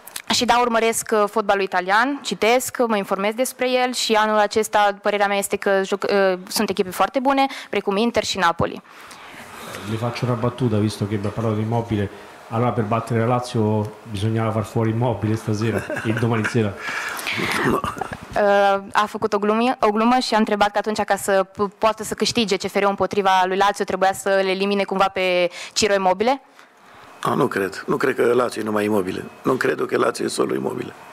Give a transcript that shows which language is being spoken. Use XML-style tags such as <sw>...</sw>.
<ro>Și da, urmăresc fotbalul italian, citesc, mă informez despre el și anul acesta, părerea mea este că sunt echipe foarte bune, precum Inter și Napoli.</ro> <it>Le faccio una battuta, visto che abbiamo parlato di Immobile. Allora, per battere la Lazio bisognava far fuori Immobile stasera e domani sera.</it> <ro>A făcut o glumă și a întrebat că atunci ca să poată să câștige CFR-ul împotriva lui Lazio trebuia să le elimine cumva pe Ciro Immobile? Nu cred că Lazio e numai Immobile. Nu cred că Lazio e</ro> <it>solo</it> <ro>Immobile.</ro>